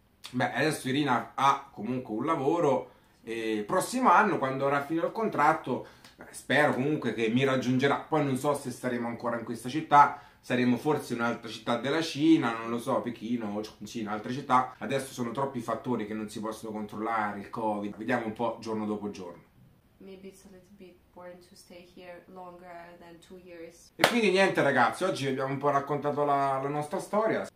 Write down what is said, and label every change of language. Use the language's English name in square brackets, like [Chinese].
[Italian] Beh, adesso Irina ha comunque un lavoro e il prossimo anno, quando avrà finito il contratto, spero comunque che mi raggiungerà. Poi non so se staremo ancora in questa città, saremo forse in un'altra città della Cina, non lo so, Pechino o Cina, altre città. Adesso sono troppi fattori che non si possono controllare, il Covid. Vediamo un po' giorno dopo giorno. [English] Maybe it's a little bit boring to stay here longer than 2 years. [Italian] E quindi niente ragazzi, oggi abbiamo un po' raccontato la nostra storia.